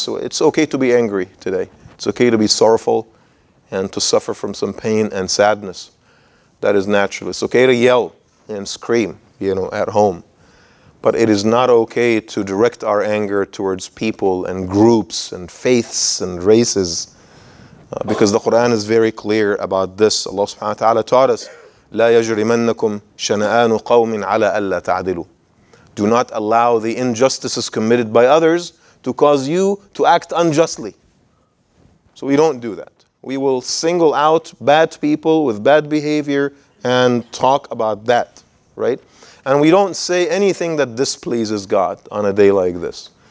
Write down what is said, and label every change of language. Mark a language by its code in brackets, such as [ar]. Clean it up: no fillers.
[en] So it's okay to be angry today. It's okay to be sorrowful and to suffer from some pain and sadness. That is natural. It's okay to yell and scream, at home. But it is not okay to direct our anger towards people and groups and faiths and races. Because the Quran is very clear about this. Allah subhanahu wa ta'ala taught us, [ar] لَا يَجْرِمَنَّكُمْ شَنَآنُ قَوْمٍ عَلَىٰ أَلَّا تَعْدِلُوا. [en] Do not allow the injustices committed by others to cause you to act unjustly. So we don't do that. We will single out bad people with bad behavior and talk about that, right? And we don't say anything that displeases God on a day like this.